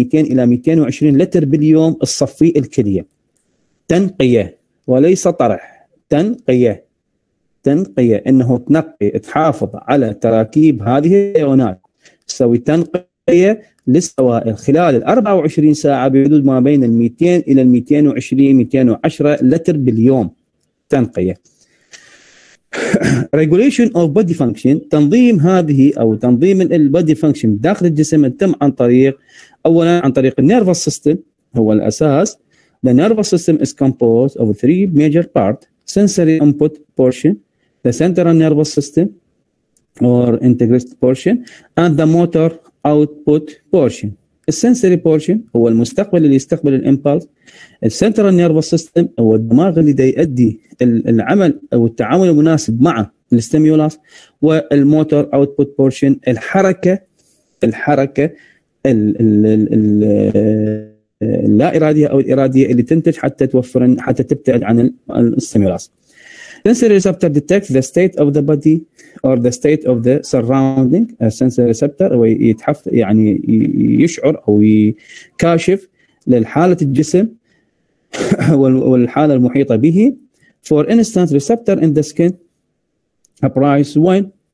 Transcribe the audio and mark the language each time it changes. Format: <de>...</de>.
<ar>إلى 220 لتر باليوم الصفي الكلية، تنقية وليس طرح، تنقية تنقية انه تنقي تحافظ على تراكيب هذه الايونات، تسوي تنقية للسوائل خلال ال 24 ساعة بحدود ما بين ال 200 إلى 220 210 لتر باليوم تنقية.</ar> <en>Regulation of body function،</en> <ar>تنظيم هذه أو تنظيم البادي فانكشن داخل الجسم يتم عن طريق أولا عن طريق النيرفوس سيستم، هو الأساس.</ar> <en>The nervous system is composed of three major parts: sensory input portion, the central nervous system or integrated portion, and the motor output portion.</en> <ar>السنسوري portion هو المستقبل اللي يستقبل الامبلس، السنترال نيرفوس سيستم هو الدماغ اللي يؤدي العمل او التعامل المناسب مع الاستيمولاس، والموتور اوتبوت portion الحركه اللا اراديه او الاراديه اللي تنتج حتى توفر حتى تبتعد عن الاستيمولاس.</ar> <en>Sensory receptor detects the state of the body or the state of the surrounding. A sensory receptor</en> <ar>ويتحف يعني يشعر أو يكاشف للحالة الجسم والحالة المحيطة به.</ar> <en>For instance, receptor in the skin apprise when</en>